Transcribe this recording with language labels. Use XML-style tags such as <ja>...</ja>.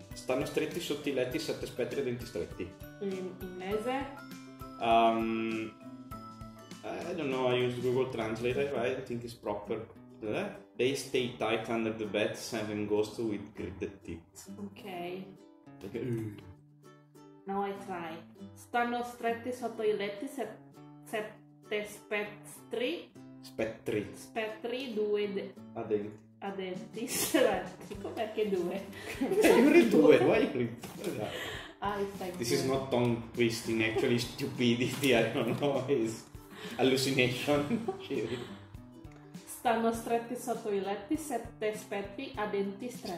<it>Stanno stretti sotto i letti sette spettri e denti stretti. In inglese?</it> <en>I don't know, I used Google Translate, right? I think it's proper. They stay tight under the bed, seven ghosts with gritted teeth. Okay. Now I try.</en> <it>Stanno stretti sotto i letti sette spettri. Spettri. Spettri, due de- adenti. Adenti, stretti. Perché due? Io ho due, vai ritmo. Ah,</it> <en>this is not tongue twisting, actually stupidity, I don't know, it's hallucination.</en> <it>Stanno stretti sotto i letti sette spettri a denti stretti.</it>